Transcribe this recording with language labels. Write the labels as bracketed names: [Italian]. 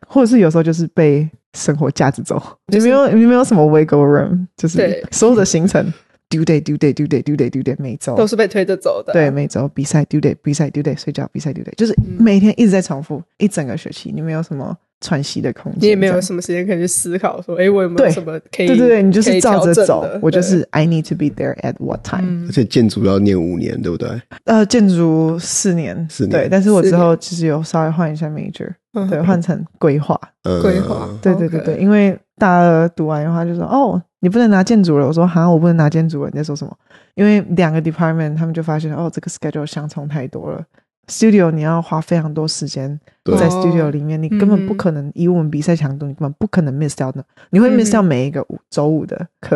[Chinese] 或者是有时候就是被生活架子走、就是、你没有什么 wiggle room， 就是所有的行程do day do day do day do day do day 每周都是被推着走的，对，每周比赛 do day 比赛 do day 睡觉比赛 do day， 就是每天一直在重复、嗯、一整个学期你没有什么喘息的空间，你也没有什么时间可以去思考说哎、欸，我有没有什么可以对你就是照着走，我就是 [English] I need to be there at what time、嗯、 [Chinese] 而且建筑要念五年对不对，建筑四年，对，但是我之后其实有稍微换一下 major， 对，换成规划规划，对对对对、 [English] okay. [Chinese] 因为大二读完的话就说哦你不能拿建筑了，我说哈我不能拿建筑了，你在说什么，因为两个 department 他们就发现哦这个 schedule 相冲太多了， studio 你要花非常多时间在 studio 里面，你根本不可能、嗯、以我们比赛强度你根本不可能 miss 掉的，你会 miss 掉每一个周五的课